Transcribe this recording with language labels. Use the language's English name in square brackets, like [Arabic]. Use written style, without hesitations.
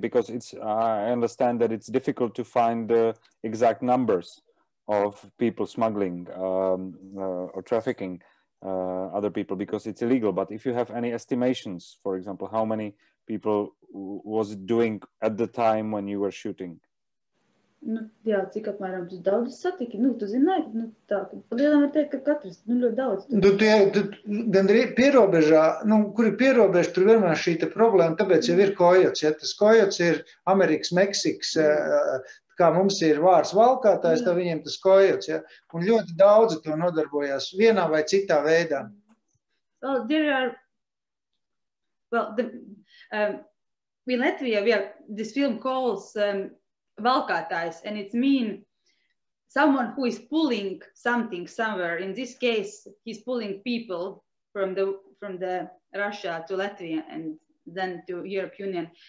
[English] Because it's I understand that it's difficult to find the exact numbers of people smuggling or trafficking other people because it's illegal. But if you have any estimations, for example, how many people was doing at the time when you were shooting? [Latvian] Nu, jā, cik apmēram tu daudz satiki, nu, tu zināji, nu, tā, lielam var teikt, ka katrs, nu, ļoti daudz. Nu, tu gandrīz pierobežā, nu, kur ir pierobeža, tur vienmēr šī te problēma, tāpēc jau ir kojots, ja tas kojots ir Amerikas, Meksikas, kā mums ir vārds valkātājs, tā viņiem tas kojots, ja, un ļoti daudz to nodarbojās vienā vai citā veidā. [English] Well, there are, well, the, in Latvia, we have this film calls, valkātājs, and it means someone who is pulling something somewhere. In this case, he's pulling people from the Russia to Latvia and then to European Union.